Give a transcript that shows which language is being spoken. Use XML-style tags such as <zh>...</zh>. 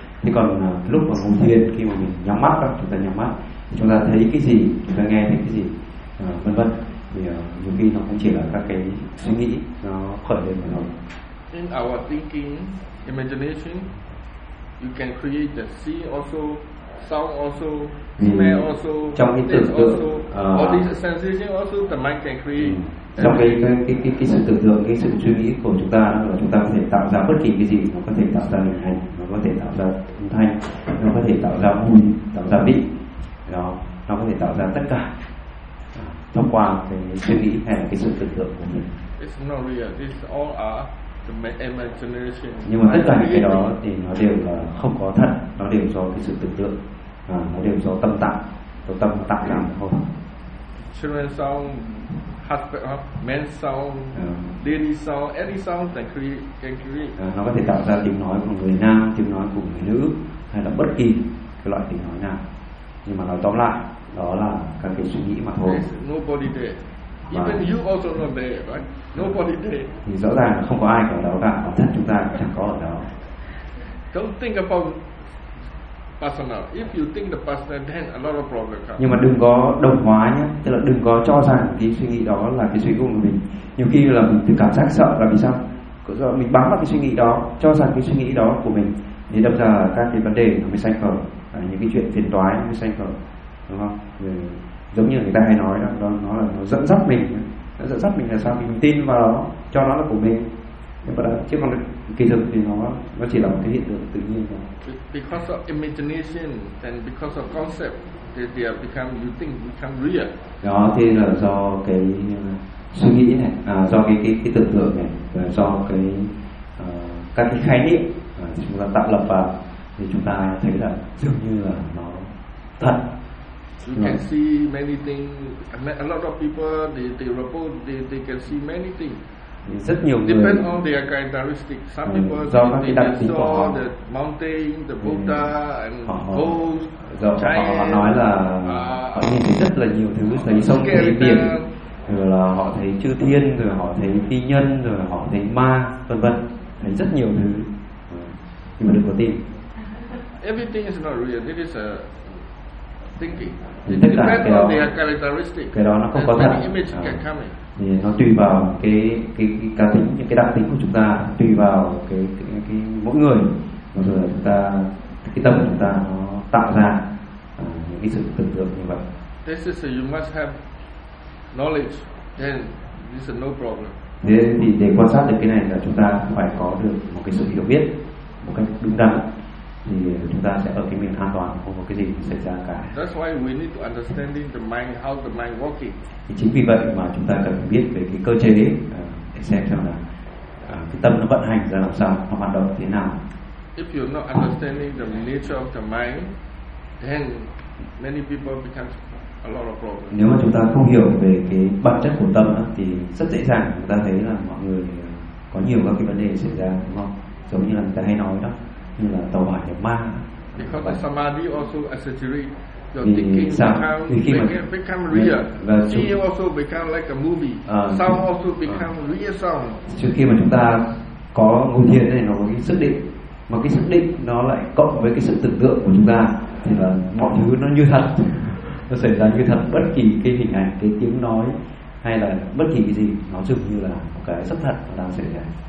<vi>Thế còn lúc mà ngồi thiền, khi mà mình nhắm mắt, chúng ta nhắm mắt, chúng ta thấy cái gì, chúng ta nghe thấy cái gì. Vân vân thì nhiều khi nó cũng chỉ là các cái suy nghĩ nó khởi lên mà thôi.</vi> <en>In our thinking, imagination, you can create the sea also sound also, smell also,</en> <vi>trong cái tưởng tượng,</vi> <en>all these sensation also the mind can create.</en> <vi>Trong cái sự tưởng tượng, cái sự suy nghĩ của chúng ta là chúng ta có thể tạo ra bất kỳ cái gì, nó có thể tạo ra hình ảnh, nó có thể tạo ra âm thanh, nó có thể tạo ra mùi, tạo ra vị, nó có thể tạo ra tất cả thông qua cái suy nghĩ hay là cái sự tưởng tượng của mình.</vi> <en>It's not real. This all are the imagination.</en> <vi>Nhưng mà tất cả những cái đó thì nó đều là không có thật, nó đều do cái sự tưởng tượng, nó đều do tâm tạo, do tâm tạo ra mà thôi.</vi> <en>Children sound, husband, men sound, lady sound, any sound that can create.</en> <vi>Nó có thể tạo ra tiếng nói của người nam, tiếng nói của người nữ, hay là bất kỳ cái loại tiếng nói nào. Nhưng mà nói tóm lại, đó là các cái suy nghĩ mà thôi.</vi> <en>There's nobody there. Even you also not there, right? Nobody there.</en> <vi>Thì rõ ràng không có ai ở đó cả, bản thân chúng ta cũng chẳng có ở đó.</vi> <en>Don't think about personal. If you think the personal, then a lot of problems come.</en> <vi>Nhưng mà đừng có đồng hóa nhé, tức là đừng có cho rằng cái suy nghĩ đó là cái suy nghĩ của mình. Nhiều khi là mình cảm giác sợ là vì sao? Cũng do mình bám vào cái suy nghĩ đó, cho rằng cái suy nghĩ đó của mình, thì đâm ra các cái vấn đề nó mới sanh khởi, những cái chuyện phiền toái nó mới sanh khởi, đúng không? Vì giống như người ta hay nói đó, nó là nó dẫn dắt mình, nó dẫn dắt mình là sao? Mình tin vào đó, cho nó là của mình. Nhưng mà đó, chứ còn kỳ thực thì nó chỉ là một cái hiện tượng tự nhiên thôi.</vi> <en>Because of imagination and because of concept, they become, you think, become real.</en> <vi>Đó thì là do cái suy nghĩ này, do cái tưởng tượng này, và do cái các cái khái niệm chúng ta tạo lập vào, thì chúng ta thấy là dường như là nó thật.</vi> <en>You can see many things. A lot of people, they report, they can see many things.</en> <vi>Rất nhiều người</vi> <en>depend on their characteristic. Some people do they saw the mountain, the Buddha and gold, giant.</en> <vi>Họ nói là họ nhìn thấy rất là nhiều thứ, thấy sông, thấy biển, rồi là họ thấy chư thiên, rồi họ thấy phi nhân, rồi họ thấy ma, vân vân, thấy rất nhiều thứ. Nhưng mà đừng có tin.</vi> <en>Everything is not real. It is a thinking.</en> <vi>Tất cả cái đó nó không có thật. Thì nó tùy vào cái cá tính, những cái đặc tính của chúng ta, tùy vào cái mỗi người, rồi chúng ta, cái tâm của chúng ta nó tạo ra những cái sự tưởng tượng như vậy.</vi> <en>This is a, you must have knowledge, then this is no problem.</en> <vi>Thì để quan sát được cái này là chúng ta phải có được một cái sự hiểu biết một cách đúng đắn, thì chúng ta sẽ ở cái miền an toàn, không có cái gì xảy ra cả.</vi> <en>That's why we need to understand the mind, how the mind working.</en> <vi>Thì chính vì vậy mà chúng ta cần biết về cái cơ chế để xem cho là cái tâm nó vận hành ra làm sao, nó hoạt động thế nào.</vi> <en>If you're not understanding the nature of the mind, then many people become a lot of problems.</en> <vi>Nếu mà chúng ta không hiểu về cái bản chất của tâm thì rất dễ dàng chúng ta thấy là mọi người có nhiều các cái vấn đề xảy ra, đúng không? Giống như là người ta hay nói đó, như là tàu hỏa nhập ma.</vi> <en>Because the samadhi also exaggerate your thinking, become real. Và chúng also become like a movie. Sound also become real sound.</en> <vi>Trước khi mà chúng ta có ngôi thiền này, nó có cái xác định, mà cái xác định nó lại cộng với cái sự tưởng tượng của chúng ta, thì là mọi thứ nó như thật, nó xảy ra như thật, bất kỳ cái hình ảnh, cái tiếng nói hay là bất kỳ cái gì, nó dường như là một cái rất thật đang xảy ra.</vi>